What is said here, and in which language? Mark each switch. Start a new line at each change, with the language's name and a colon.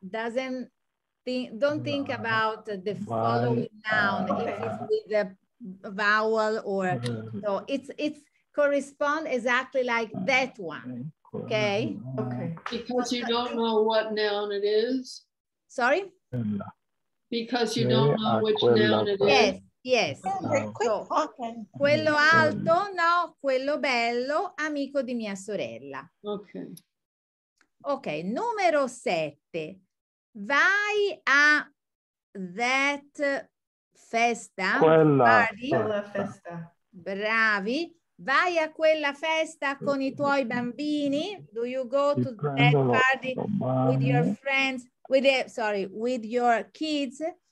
English: Don't think about the following noun if it's with the vowel or so. It's correspond exactly like that one. Okay. Because you don't know what noun it is. Sorry. Because you don't know which noun it is. Yes.
Italian: Yes, so, quello alto, no, quello bello, amico di mia sorella. Ok, numero 7. Vai a
English: that
Italian: festa. Quella festa. Bravi, vai a quella festa con i tuoi bambini.
English: Do you go to that party with your friends, with your kids?